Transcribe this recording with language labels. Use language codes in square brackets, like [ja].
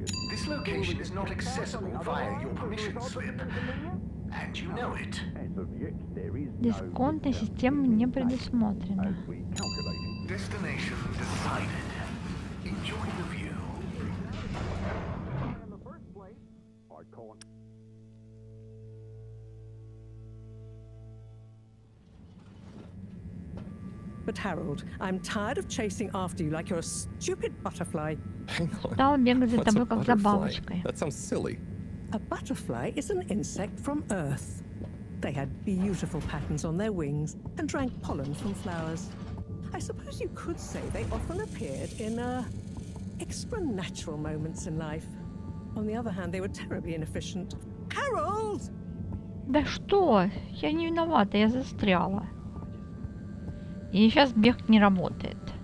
[en] This location is not accessible via your permission slip. And you know it. [ru] Дисконтная система не предусмотрена. [en] Destination decided. Enjoy the view. But Harold, I'm tired of chasing after you like you're a stupid butterfly. Hang on. What's a butterfly? That sounds silly. A butterfly is an insect from Earth. They had beautiful patterns on their wings and drank pollen from flowers. I suppose you could say they often appeared in extranatural moments in life. On the other hand, they were terribly inefficient. Harold! [ru] Да что? Я не виновата, я застряла. И сейчас бег не работает.